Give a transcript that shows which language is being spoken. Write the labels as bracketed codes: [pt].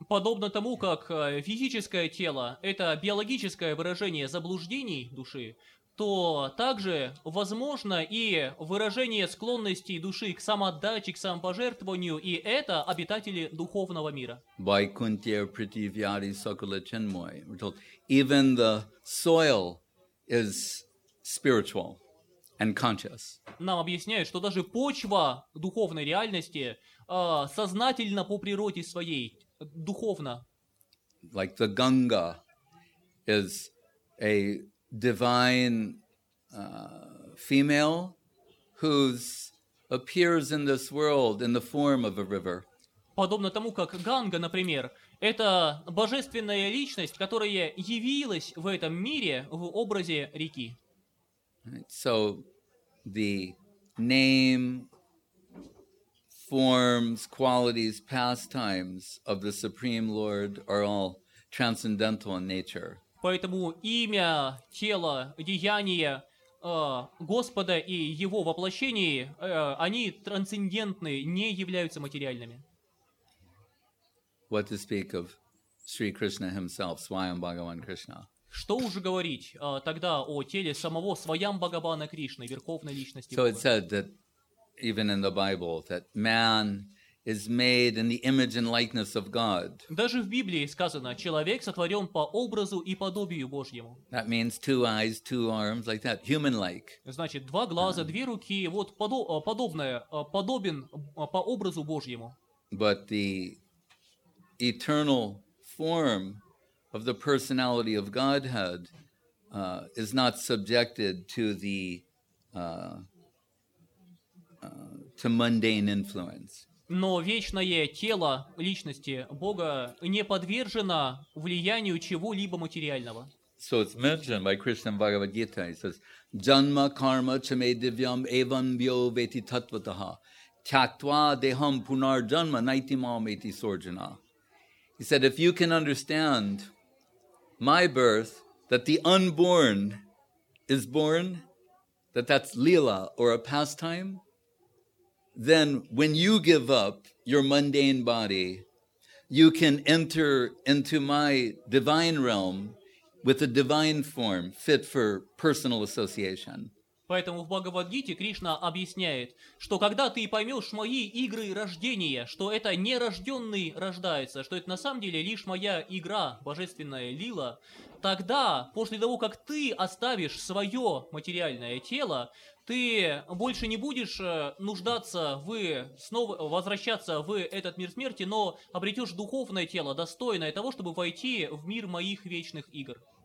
[ru] Подобно тому, как физическое тело — это биологическое выражение заблуждений души, то также возможно и выражение склонностей души к самоотдаче, к самопожертвованию, и это обитатели духовного мира. [sa] Vaikunthe prithivyari sakala chinmoy. [en] We're told even the soil is spiritual and conscious. [ru] Нам объясняют, что даже почва духовной реальности сознательна по природе своей, духовна. [en] Like the Ganga is a divine female who appears in this world in the form of a river. [ru] Подобно тому, как Ганга, например, это божественная личность, которая явилась в этом мире в образе реки. [en] So the name, forms, qualities, pastimes of the Supreme Lord are all transcendental in nature. [ru] Поэтому имя, тело, деяния Господа и Его воплощение, они трансцендентны, не являются материальными. [en] What to speak of Sri Krishna himself, Swayam Bhagavan Krishna? [ru] Что уже говорить тогда о теле самого Свайам Бхагавана Кришны, Верховной Личности? [en] So it said that even in the Bible that man is made in the image and likeness of God. [ru] Даже в Библии сказано, человек сотворен по образу и подобию Божьему. [en] That means two eyes, two arms, like that, human-like. [ru] Значит, два глаза, две руки, вот подобное, подобен по образу Божьему. [en] But the eternal form of the personality of Godhead is not subjected to the to mundane influence. [ru] Но вечное тело личности Бога не подвержено влиянию чего-либо материального. [en] So it's mentioned by Krishna in Bhagavad Gita. He says, [sa] "Janma karma chame divyam evam vyo veti tattvataha tyaktva deham punar janma naiti mam eti sorjana." [en] He said, "If you can understand my birth, that the unborn is born, that that's lila or a pastime, then when you give up your mundane body, you can enter into my divine realm with a divine form fit for personal association." [ru] Поэтому в Бхагавад-гите Кришна объясняет, что когда ты поймешь мои игры рождения, что это нерожденный рождается, что это на самом деле лишь моя игра, божественная лила, тогда, после того, как ты оставишь свое материальное тело, ты больше не будешь нуждаться в снова возвращаться в этот мир смерти, но обретешь духовное тело, достойное того, чтобы войти в мир моих вечных игр.